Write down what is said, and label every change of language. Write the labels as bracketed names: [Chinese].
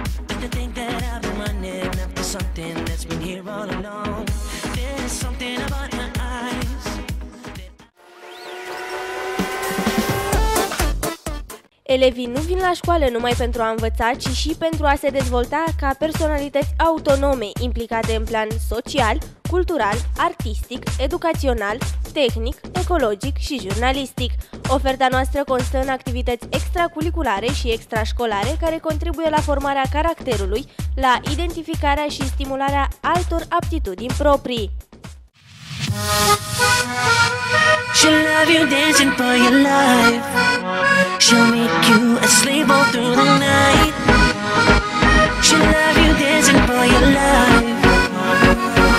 [English] Like to think that I've been running after something that's been here all along. There's something about her eyes. [Romanian] Elevii nu vin la școală numai pentru a învăța, ci și pentru a se dezvolta ca personalități autonome, implicate în plan social, cultural, artistic, educațional, tehnic, ecologic și jurnalistic. Oferta noastră constă în activități extracurriculare și extrașcolare care contribuie la formarea caracterului, la identificarea și stimularea altor aptitudini proprii. [English] She'll have you dancing for your life. She'll make you a slave all through the night. She'll have you dancing for your life.